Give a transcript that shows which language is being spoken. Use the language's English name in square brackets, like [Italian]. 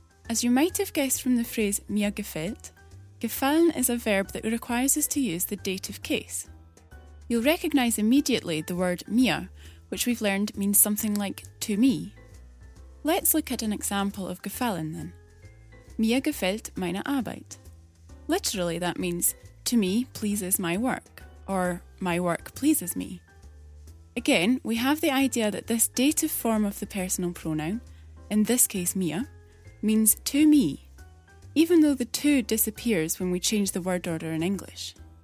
[English] As you might have guessed from the phrase [German] mir gefällt, [English] gefallen is a verb that requires us to use the dative case. you'll recognize immediately the word mir, which we've learned means something like to me. Let's look at an example of gefallen then. [German] Mir gefällt meine Arbeit. [English] Literally, that means to me pleases my work, or my work pleases me. Again, we have the idea that this dative form of the personal pronoun, in this case mir, means to me, even though the to disappears when we change the word order in English.